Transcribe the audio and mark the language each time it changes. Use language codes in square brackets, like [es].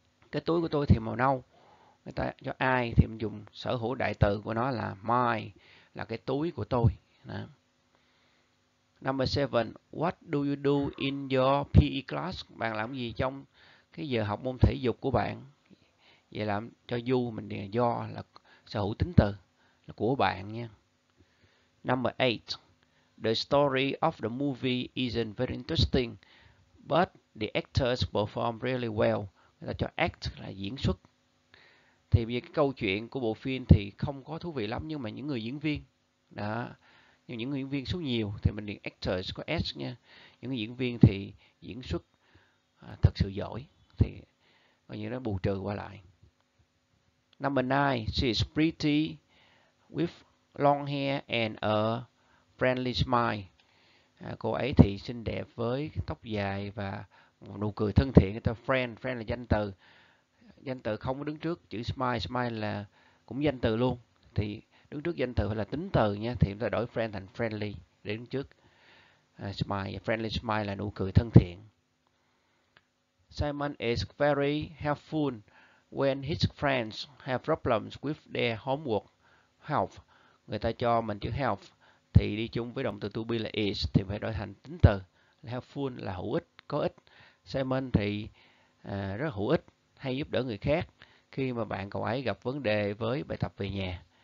[vi] Cái túi của tôi thì màu nâu. Người ta cho ai thì mình dùng sở hữu đại từ của nó là my, là cái túi của tôi. [en] Đó. Number 7. What do you do in your PE class? [vi] Bạn làm gì trong cái giờ học môn thể dục của bạn? Vậy làm cho you, mình điền do là sở hữu tính từ, là của bạn nha. [en] Number 8. The story of the movie isn't very interesting, but the actors perform really well. [vi] Người ta cho act là diễn xuất. Thì vì cái câu chuyện của bộ phim thì không có thú vị lắm, nhưng mà những người diễn viên đó, Nhưng những diễn viên số nhiều thì mình điền actors có S nha. Những diễn viên thì diễn xuất thật sự giỏi thì coi như nó bù trừ qua lại. [en] Number 9, she is pretty with long hair and a friendly smile. [vi] Cô ấy thì xinh đẹp với tóc dài và một nụ cười thân thiện. Người ta friend, friend là danh từ. Danh từ không có đứng trước chữ smile, smile là cũng danh từ luôn. Thì đứng trước danh từ phải là tính từ nha, thì chúng ta đổi friend thành friendly để đứng trước smile. Friendly smile là nụ cười thân thiện. [en] Simon is very helpful when his friends have problems with their homework. [vi] Help, người ta cho mình chữ help thì đi chung với động từ to be là is thì phải đổi thành tính từ. Helpful là hữu ích, có ích. Simon thì rất hữu ích, hay giúp đỡ người khác khi mà bạn cậu ấy gặp vấn đề với bài tập về nhà.